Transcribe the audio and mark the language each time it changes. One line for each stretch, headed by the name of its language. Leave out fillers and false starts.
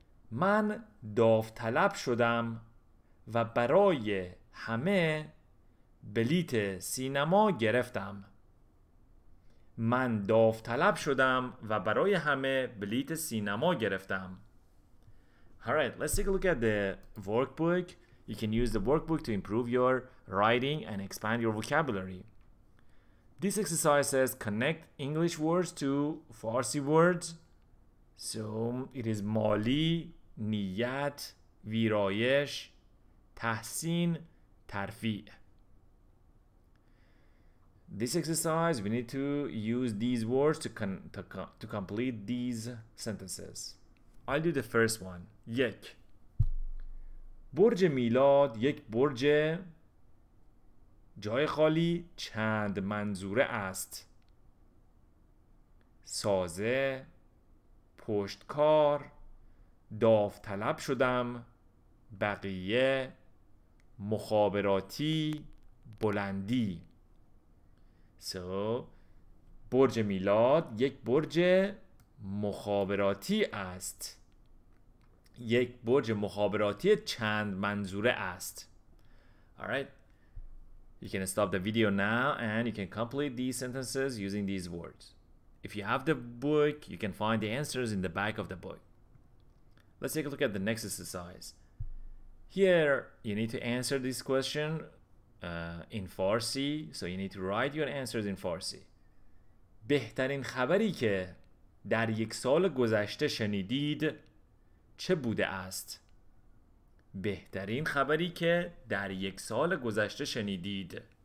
Persian: من داوطلب شدم و برای همه بلیت سینما گرفتم. من داوطلب شدم و برای همه بلیت سینما گرفتم.
English: Alright, let's take a look at the workbook. You can use the workbook to improve your writing and expand your vocabulary. This exercise says connect English words to Farsi words. So it is
Persian: مالی، نیت، ویرایش، تحسین، ترفیع.
English: This exercise, we need to use these words to complete these sentences. I'll do the first one. یک.
Persian: برج میلاد یک برج جای خالی چند منظوره است. سازه، پشتکار، داوطلب شدم، بقیه، مخابراتی، بلندی. So, برج میلاد یک برج مخابراتی است. یک برج مخابراتی چند منظوره است.
English: Alright. You can stop the video now and you can complete these sentences using these words. If you have the book, you can find the answers in the back of the book. Let's take a look at the next exercise. Here, you need to answer this question in Farsi. So you need to write your answers in Farsi.
Persian: بهترین خبری که در یک سال گذشته شنیدید چه بوده است؟ بهترین خبری که در یک سال گذشته شنیدید.